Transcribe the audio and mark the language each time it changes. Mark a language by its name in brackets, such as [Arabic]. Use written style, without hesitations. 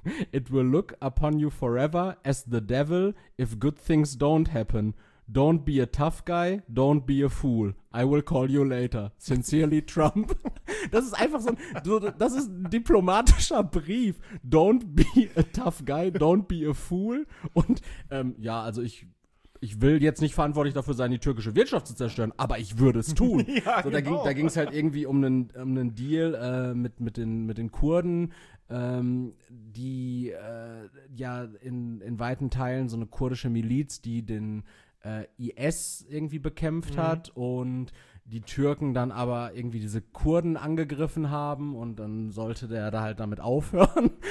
[English] It will look upon you forever as the devil if good things don't happen. Don't be a tough guy, don't be a fool. I will call you later. Sincerely, Trump. [German] Das ist einfach so ein, das ist ein diplomatischer Brief. [English] Don't be a tough guy, don't be a fool. [German] Und ja, also ich will jetzt nicht verantwortlich dafür sein, die türkische Wirtschaft zu zerstören, aber ich würde es tun. Ja, so, da ging es halt irgendwie um einen Deal mit den Kurden. Die in weiten Teilen so eine kurdische Miliz, die den IS irgendwie bekämpft hat und die Türken dann aber irgendwie diese Kurden angegriffen haben und dann sollte der da halt damit aufhören.